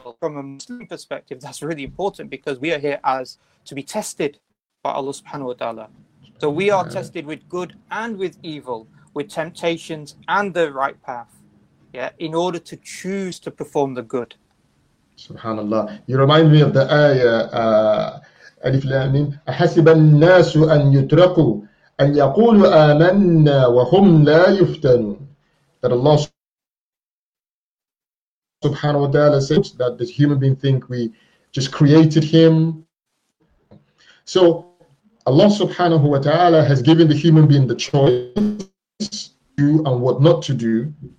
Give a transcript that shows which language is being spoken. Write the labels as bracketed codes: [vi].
[en] From a Muslim perspective, that's really important, because we are here as to be tested by Allah subhanahu wa ta'ala. So we are tested with good and with evil, with temptations and the right path, in order to choose to perform the good. Subhanallah. You remind me of the ayah, [ar] Alif Lam Mim, أَحَسِبَ النَّاسُ أَن يُتْرَقُوا أَن يَقُولُوا آمَنَّا وَهُمْ لَا يُفْتَنُونَ. [en] That Allah subhanahu wa ta'ala says that this human being think we just created him. So Allah subhanahu wa ta'ala has given the human being the choice to do and what not to do.